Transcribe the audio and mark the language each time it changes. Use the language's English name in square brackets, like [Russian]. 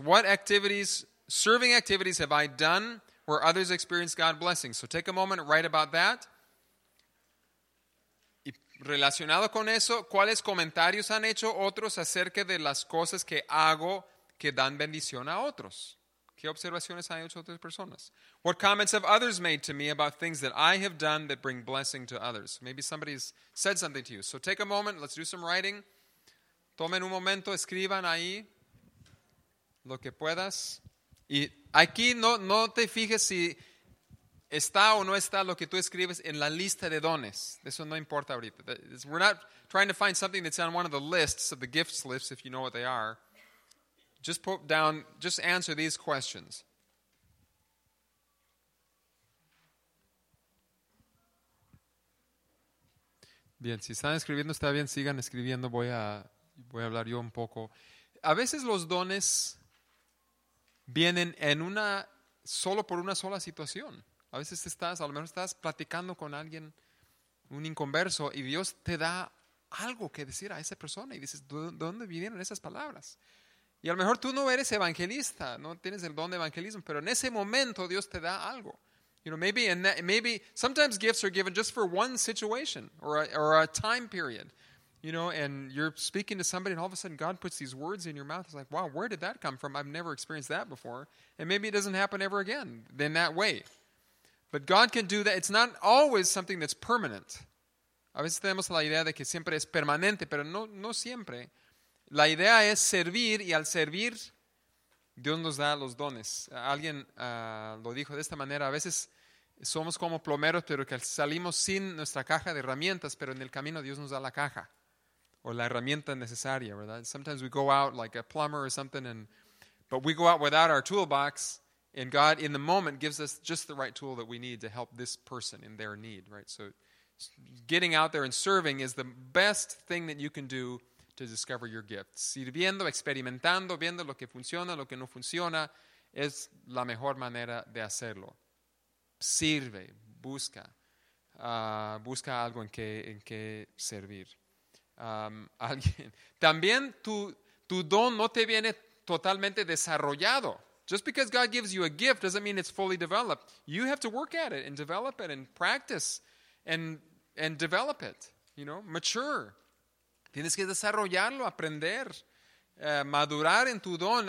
[English] What activities, serving activities have I done where others experience God's blessing? So take a moment, write about that. [Spanish] Y relacionado con eso, ¿cuáles comentarios han hecho otros acerca de las cosas que hago que dan bendición a otros? ¿Qué observaciones han hecho otras personas? [English] What comments have others made to me about things that I have done that bring blessing to others? Maybe somebody's said something to you. So take a moment, let's do some writing. [Spanish] Tomen un momento, escriban ahí lo que puedas. Y aquí no te fijes si está o no está lo que tú escribes en la lista de dones. Eso no importa ahorita. [English] We're not trying to find something that's on one of the lists, of the gifts lists, if you know what they are. Just put down, just answer these questions. [Spanish] Bien, si están escribiendo, está bien, sigan escribiendo. Voy a hablar yo un poco. A veces los dones vienen en una, solo por una sola situación. A veces estás, a lo mejor estás platicando con alguien, un inconverso, y Dios te da algo que decir a esa persona. Y dices, ¿de dónde vinieron esas palabras? Y a lo mejor tú no eres evangelista, no tienes el don de evangelismo, pero en ese momento Dios te da algo. [English] You know, maybe sometimes gifts are given just for one situation or a time period. You know, and you're speaking to somebody and all of a sudden God puts these words in your mouth. It's like, wow, where did that come from? I've never experienced that before. And maybe it doesn't happen ever again in that way. But God can do that. It's not always something that's permanent. [Spanish] A veces tenemos la idea de que siempre es permanente, pero no siempre. La idea es servir, y al servir, Dios nos da los dones. Alguien lo dijo de esta manera. A veces somos como plomeros, pero que salimos sin nuestra caja de herramientas, pero en el camino Dios nos da la caja. O la herramienta necesaria, ¿verdad? [English] Sometimes we go out like a plumber or something, but we go out without our toolbox, and God, in the moment, gives us just the right tool that we need to help this person in their need, right? So getting out there and serving is the best thing that you can do to discover your gift. [Spanish] Sirviendo, experimentando, viendo lo que funciona, lo que no funciona, es la mejor manera de hacerlo. Sirve, busca. Busca algo en que servir. Alguien. También tu don no te viene totalmente desarrollado. [English] Just because God gives you a gift doesn't mean it's fully developed. You have to work at it and develop it and practice and develop it, you know, mature. [Spanish] Tienes que desarrollarlo, aprender, madurar en tu don.